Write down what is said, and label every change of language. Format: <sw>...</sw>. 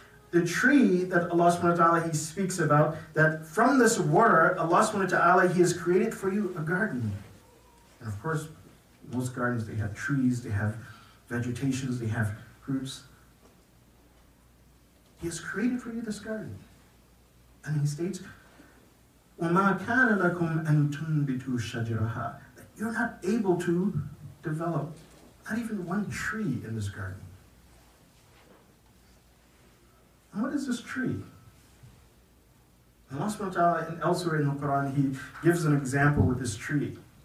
<en>The tree that Allah subhanahu wa ta'ala, he speaks about, that from this water, Allah subhanahu wa ta'ala, he has created for you a garden. And of course, most gardens, they have trees, they have vegetations, they have fruits. He has created for you this garden. And he states,</en> <ar>وَمَا كَانَ لَكُمْ أَن تُنْبِتُوا شَجِرَهَا.</ar> <en>You're not able to develop not even one tree in this garden. And what is this tree? Allah subhanahu wa ta'ala, and elsewhere in the Quran, he gives an example with this tree.</en>